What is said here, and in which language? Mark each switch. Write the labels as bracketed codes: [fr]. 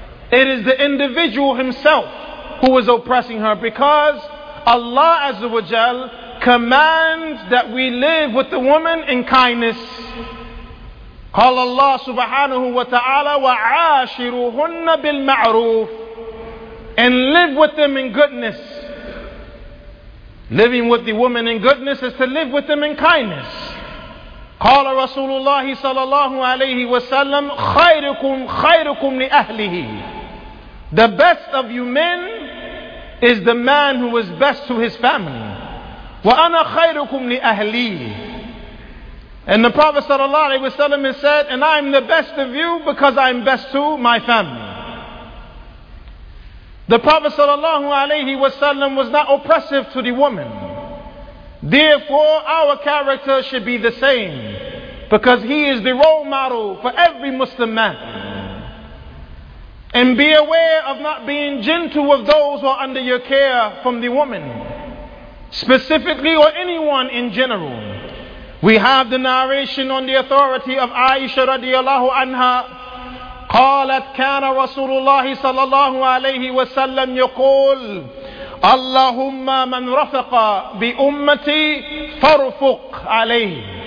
[en] It is the individual himself who is oppressing her, because Allah Azza wa Jal commands that we live with the woman in kindness. [ar] قال الله سبحانه وتعالى وعاشروهن بالمعروف, [en] and live with them in goodness. Living with the woman in goodness is to live with them in kindness. [ar] قال رسول الله صلى الله عليه وسلم خيركم خيركم لأهله, [en] The best of you men is the man who is best to his family. [ar] وَأَنَا خَيْرُكُمْ لِأَهْلِي. [en] And the Prophet sallallahu alaihi wasallam has said, and I'm the best of you because I'm best to my family. The Prophet sallallahu alaihi wasallam was not oppressive to the woman. Therefore, our character should be the same, because he is the role model for every Muslim man. And be aware of not being gentle with those who are under your care, from the woman specifically or anyone in general. We have the narration on the authority of Aisha radiallahu anha. [ar] قالت كان رسول الله صلى الله عليه وسلم يقول اللهم من رفق بأمتي فارفق عليه.